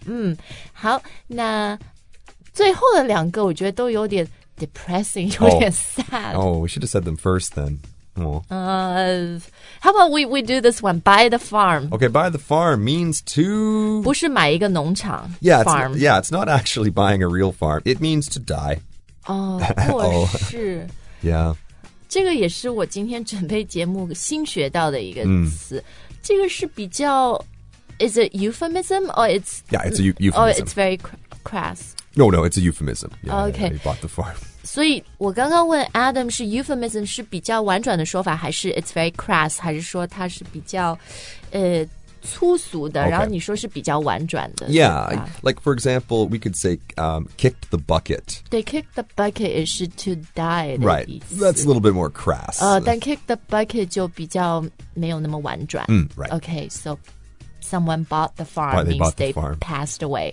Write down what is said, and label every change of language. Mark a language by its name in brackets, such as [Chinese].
[Chinese] 嗯，好，那最后的两个我觉得都有点 [English] depressing, [Chinese] 有点 [English] sad. Oh, we should have said them first then.、Oh. How about we do this one, buy the farm. Okay, buy the farm means to... [Chinese] 不是买一个农场 yeah, [English] farm. It's, yeah, it's not actually buying a real farm. It means to die. [Chinese] Oh, 或是。 Yeah. 这个也是我今天准备节目新学到的一个词、mm. 这个是比较 [English] Is it euphemism or it's Yeah, it's a euphemism. Oh, it's very crass. No, no, it's a euphemism. Yeah, okay. Yeah, you bought the farm. [Chinese] 所以我刚刚问 Adam 是 euphemism 是比较婉转的说法还是 [English] it's very crass [Chinese] 还是说它是比较粗俗的、 okay. 然后你说是比较婉转的 [English] Yeah, like for example, we could say、kicked the bucket. [Chinese] 对 [English] kick the bucket [Chinese] 也是 [English] to die [Chinese] 的意思 [English] Right, that's a little bit more crass. [Chinese] 但 [English] kick the bucket [Chinese] 就比较没有那么婉转、 [English] mm, right. Okay, so someone bought the farm right, they means the farm. they passed away.、